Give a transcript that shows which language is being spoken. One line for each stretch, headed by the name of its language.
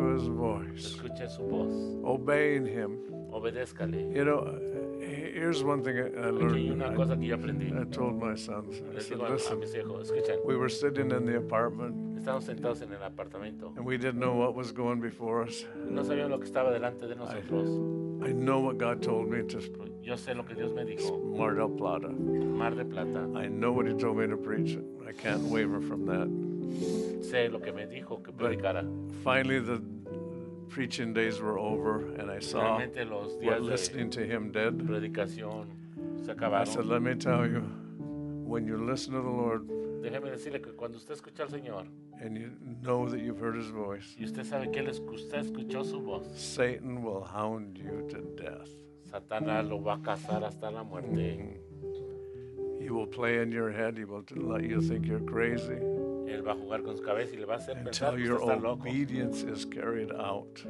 English: To his voice.
Spanish: Escuche su voz.
English: Obeying him.
Spanish: Obedézcale.
English: You know, here's one thing I learned. I told my sons. Listen,
Spanish: a mis hijos, escuchen.
English: We were sitting in the apartment.
Spanish: Estábamos sentados en el apartamento.
English: And we didn't know what was going before us.
Spanish: No sabíamos lo que estaba delante de nosotros.
English: I know what God told me to speak.
Spanish: Yo sé lo que Dios me dijo.
English: Mar del Plata.
Spanish: Mar de Plata.
English: I know what he told me to preach. I can't waver from that.
Spanish: Sé lo que me dijo que predicara.
English: Finally, the preaching days were over and I saw what listening to him did.
Spanish: Predicación se acabaron.
English: I said, let me tell you, when you listen to the Lord,
Spanish: déjeme decirle que cuando usted escucha al Señor,
English: and you know that you've heard his voice,
Spanish: y usted sabe que él usted escuchó su voz,
English: Satan will hound you to death.
Spanish: Satanás lo va a cazar hasta la muerte.
English: He will play in your head. He will let you think you're crazy.
Spanish: Él va a jugar con su cabeza y le va a hacer pensar
English: until
Spanish: que usted está loco.
English: Until your obedience is carried out.